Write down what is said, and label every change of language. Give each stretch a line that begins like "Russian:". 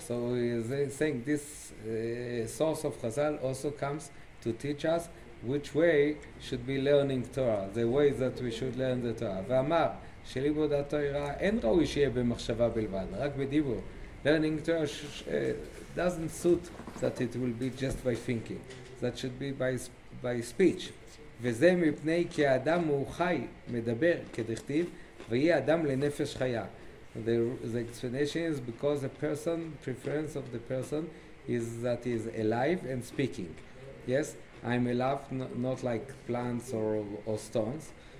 English: So they're saying this source of Chazal also comes to teach us which way should be learning Torah, the way that we should learn the Torah.
Hebrew: ואמר שלימוד התורה אין ראוי שיהיה במחשבה בלבד, רק בדיבור.
English: Learning Torah doesn't suit that it will be just by thinking. That should be by speech.
Hebrew: וזה מפני כי האדם הוא חי, מדבר כדכתיב, ויהיה אדם לנפש חיה.
English: The explanation is because preference of the person is that he is alive and speaking. Yes, I'm alive, not like plants or stones.